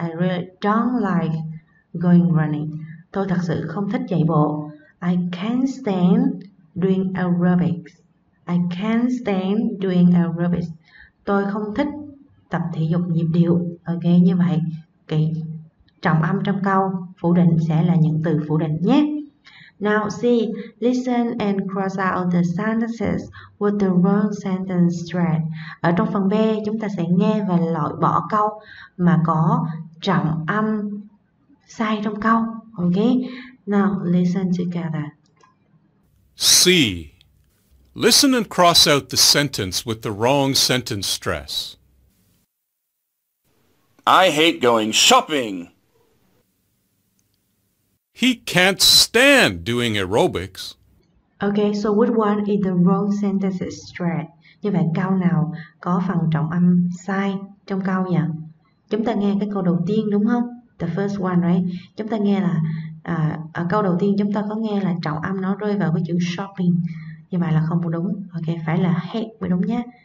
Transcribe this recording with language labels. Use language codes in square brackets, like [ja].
[en] I really don't like going running. [vi] Tôi thật sự không thích chạy bộ. [en] I can't stand doing aerobics. I can't stand doing aerobics. [vi] Tôi không thích tập thể dục nhịp điệu. Okay, như vậy cái trọng âm trong câu phủ định sẽ là những từ phủ định nhé. [en] Now see, listen and cross out the sentences with the wrong sentence stress. [vi] Ở trong phần B, chúng ta sẽ nghe và loại bỏ câu mà có trọng âm sai trong câu. [en] Okay, now listen together. C. Listen and cross out the sentence with the wrong sentence stress. I hate going shopping. He can't stand doing aerobics. Okay, so which one is the wrong sentence stress? [vi] Như vậy câu nào có phần trọng âm sai trong câu nhỉ? Chúng ta nghe cái câu đầu tiên đúng không? [en] The first one, right? [vi] Chúng ta nghe là ở câu đầu tiên chúng ta có nghe là trọng âm nó rơi vào cái chữ shopping. Như vậy là không đúng. Okay, phải là hate mới đúng nhé.